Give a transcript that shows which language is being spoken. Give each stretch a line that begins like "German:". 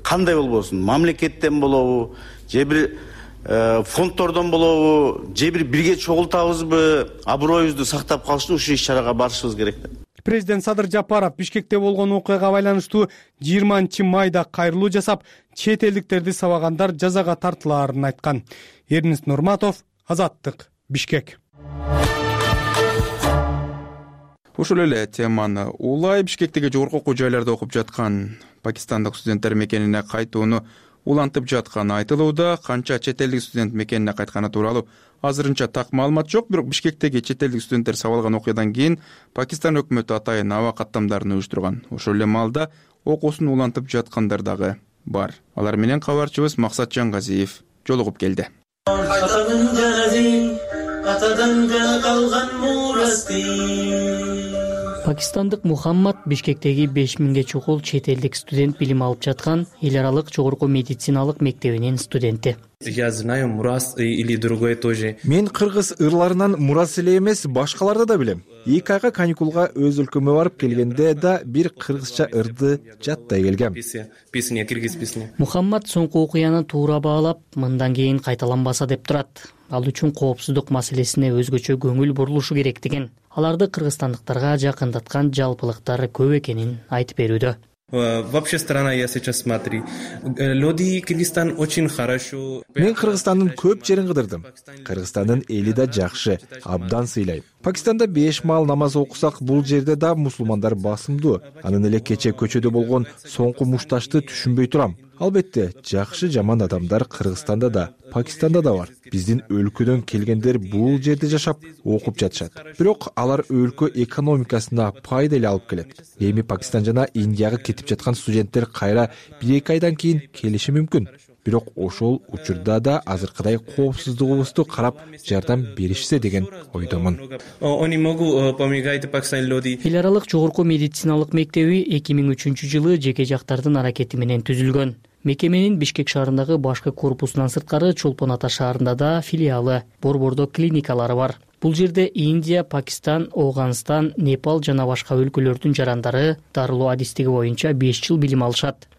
Kyrgyz: Кандай болбосун, мамлекеттен болобу, же бир фонддордон болобу, же бир бирге чогултабызбы, аброюбузду сактап калыш үчүн ушул иш-чарага барышыбыз керек. Президент Садыр Жапаров Бишкекте болгон окуяга байланыштуу 20 майда кайрылуу жасап, чет элдиктерди сабагандар жазага тартылаарын айткан. Эрнис Нурматов, Азаттык, Бишкек. Ушул эле теманы улай Бишкектеги жогорку окуу жайларда окуп жаткан пакистандык студенттер мекенине кайтууну улантып жатканы айтылууда. Канча чет элдик студент мекенине кайтканы тууралуу азырынча так маалымат жок, бирок Бишкектеги чет элдик студенттер сабалган окуядан кийин Пакистан өкмөтү атайын аба каттамдарын уюштурган. Ошол эле маалда окуусун улантып жаткандар дагы бар. Алар менен кабарчыбыз Максат Жангазиев жолугуп келди. Атадан калган мурасты. Пакистандык Мухаммад Бишкектеги 5000 чукул чет элдик студент билим алып жаткан эл аралык жогорку медициналык мектебинин студенти.
Russian: Я знаю Мурас или другой тоже.
Kyrgyz: Мен кыргыз ырларынан Мурас эле эмес, башкаларды да билем. 2 айга каникулга өз өлкөмө барып келгенде да бир кыргызча ырды жаттай келгем.
Russian: Песня кыргыз песня.
Kyrgyz: Мухаммад соңку окуяны туура баалап, мындан кийин кайталанбаса деп турат. Ал үчүн коопсуздук маселесине өзгөчө көңүл бурулушу керек деген. Аларды кыргызстандыктарга жакындаткан жалпылыктары көп экенин айтып берүүдө.
Russian: Вообще страна, я сейчас смотрю. Люди Кыргызстан очень хорошо.
Kyrgyz: Мен Кыргызстандын көп жерин кыдырдым. Кыргызстандын эли да жакшы, абдан сыйлайм. Пакистанда 5 маал намаз окусак, бул жерде да мусулмандар басымдуу. Анын эле кече көчөдө болгон соңку мушташты түшүнбөй турам. Албетте, жакшы жаман адамдар Кыргызстанда да, Пакистанда да бар. Биздин өлкөдөн келгендер бул жерде жашап, окуп жатышат. Бирок алар өлкө экономикасына пайда эле алып келет. Эми Пакистан жана Индияга кетип жаткан студенттер кайра 1-2 айдан кийин келиши мүмкүн. Бирок ошол учурда да азыркыдай коопсуздугубузду карап жардам беришсе деген ойдомун.
Russian: Они могу помогать пакистанским людям.
Kyrgyz: Эл аралык жогорку медициналык мектеби 2003 жылы жеке жактардын аракети менен түзүлгөн. Мекеменин Бишкек шаарындагы башкы корпусунан сырткары Чолпон Ата шаарында да филиалы, борбордо клиникалары бар. Бул жерде Индия, Пакистан, Ооганстан, Непал жана башка өлкөлөрдүн жарандары дарылоо адистиги боюнча 5 жыл билим алышат.